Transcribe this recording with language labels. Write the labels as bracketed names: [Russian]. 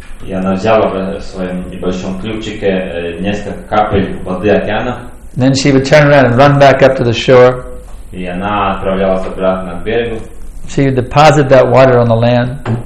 [Russian] И она взяла в своем небольшом клювчике несколько капель воды океана. [English] Then she would turn around and run back up to the shore. [Russian] И она отправлялась обратно к берегу. [English] She would deposit that water on the land.